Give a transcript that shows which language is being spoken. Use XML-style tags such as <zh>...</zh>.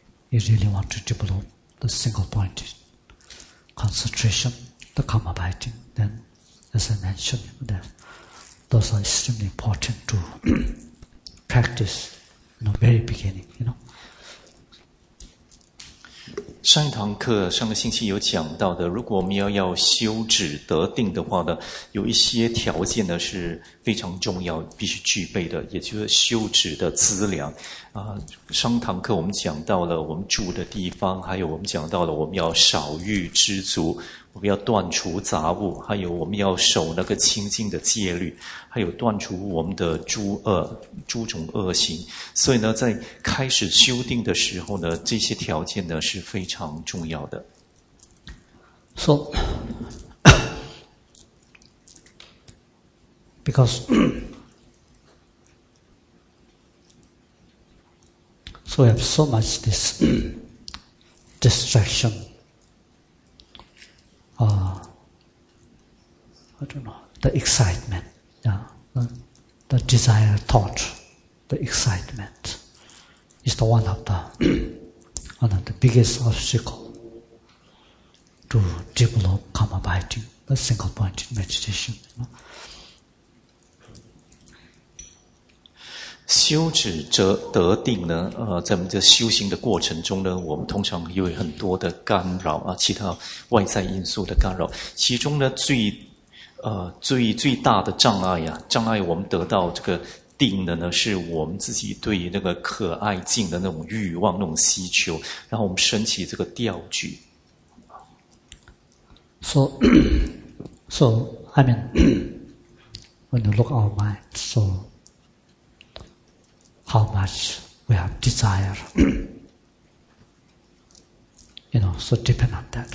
<en>You really want to develop the single point. Concentration, the karma biting, then, as I mentioned, there. those are extremely important to practice in the very beginning, you know.</en> <zh>上一堂课上个星期有讲到的，如果我们要修止得定的话呢，有一些条件呢是非常重要必须具备的，也就是修止的资粮啊。上堂课我们讲到了我们住的地方，还有我们讲到了我们要少欲知足，我们要断除杂物，还有我们要守那个清净的戒律，还有断除我们的诸恶诸种恶行。所以呢，在开始修定的时候呢，这些条件呢是非常重要的。</zh> <en>So, because, so we have so much this distraction. The excitement, yeah, the desire, thought, the excitement is the one of the biggest obstacle to develop karma biting, the single pointed meditation. You know?</en> <zh>修止则得定呢，在我们的修行的过程中呢，我们通常有很多的干扰啊，其他外在因素的干扰，其中呢最大的障碍呀、啊，障碍我们得到这个定的呢，是我们自己对那个可爱境的那种欲望、那种需求，然后我们升起这个调举。</zh> <en>So, I mean, when you look our mind, so how much we have desire, you know, so depend on that.</en>